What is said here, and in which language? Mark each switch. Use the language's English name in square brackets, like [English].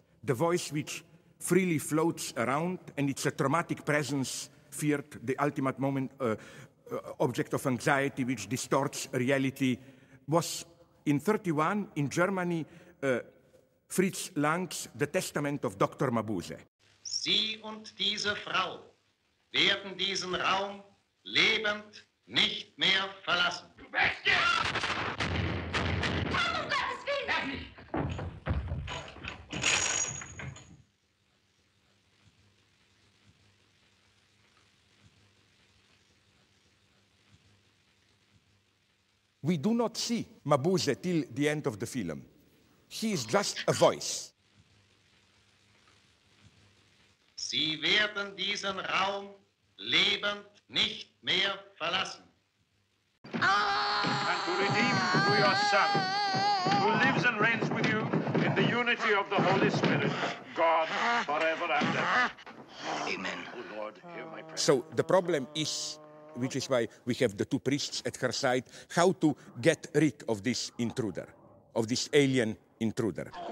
[English] The voice which freely floats around, and it's a traumatic presence feared, the ultimate moment object of anxiety which distorts reality, was in 31 in Germany Fritz Lang's The Testament of Dr. Mabuse. [German] Sie und diese Frau werden diesen Raum lebend nicht mehr verlassen. Du bist hier! Komm, um Gottes Willen! Lass mich! [English] We do not see Mabuse till the end of the film. He is just a voice. [German] Sie werden diesen Raum lebend nicht mehr verlassen. [English] And to redeem to your son, who lives and reigns with you in the unity of the Holy Spirit, God forever and ever. Amen. O Lord, hear my prayer. So the problem is, which is why we have the two priests at her side, how to get rid of this intruder, of this alien intruder.